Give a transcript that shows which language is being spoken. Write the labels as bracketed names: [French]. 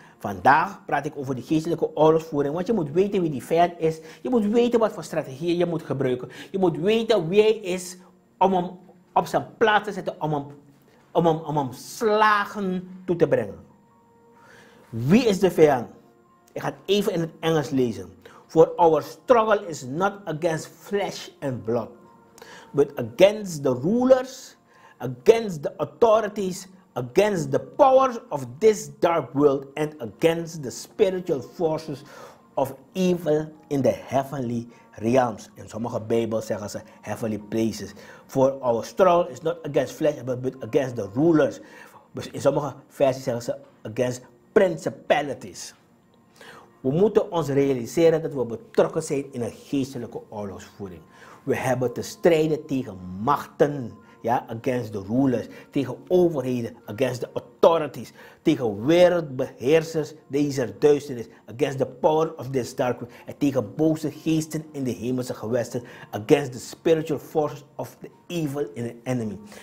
[Dutch] Vandaag praat ik over die geestelijke oorlogsvoering, want je moet weten wie die vijand is. Je moet weten wat voor strategie je moet gebruiken. Je moet weten wie hij is om hem op zijn plaats te zetten, om hem slagen toe te brengen. Wie is de vijand? Ik ga het even in het Engels lezen. [English] For our struggle is not against flesh and blood, but against the rulers, against the authorities, against the powers of this dark world, and against the spiritual forces of evil in the heavenly realms. [Dutch] In sommige Bijbels zeggen ze [English] heavenly places. For our struggle is not against flesh, but against the rulers. [Dutch] In sommige versies zeggen ze [English] against principalities. [Dutch] We moeten ons realiseren dat we betrokken zijn in een geestelijke oorlogsvoering. We hebben te strijden tegen machten, ja, [English] against the rulers, [Dutch] tegen overheden, [English] against the authorities, [Dutch] tegen wereldbeheersers, deze duisternis, [English] against the power of this dark world, [Dutch] en tegen boze geesten in de hemelse gewesten, [English] against the spiritual forces of the evil in the enemy.